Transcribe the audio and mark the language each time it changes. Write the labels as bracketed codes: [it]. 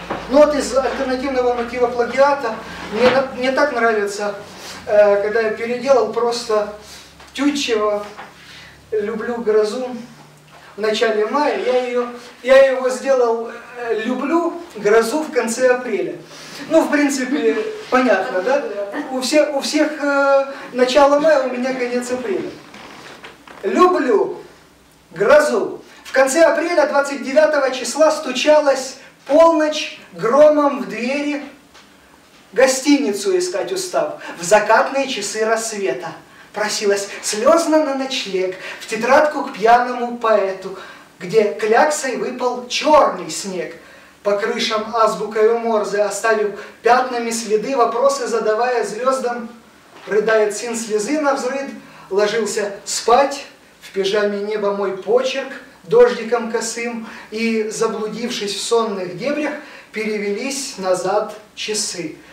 [uk] Ну от із альтернативного мотива плагіата мені так подобається, коли я переділав просто Тютчева «Люблю грозу» в начале мая. Я його зробив «Люблю грозу» в кінці апреля. Ну, в принципі, понятно, да? У всіх начало мая, у мене кінець апреля. [ru] «Люблю грозу». [uk] В кінці апреля [ru] 29 числа стучалась полночь громом в двери, гостиницу искать устав, в закатные часы рассвета. Просилась слезно на ночлег в тетрадку к пьяному поэту, где кляксой выпал черный снег, по крышам азбукой уморзы, оставив пятнами следы, вопросы задавая звездам, рыдает сын слезы навзрыд, ложился спать, в пижаме небо мой почерк, дождиком косым, и, заблудившись в сонных дебрях, перевелись назад часы.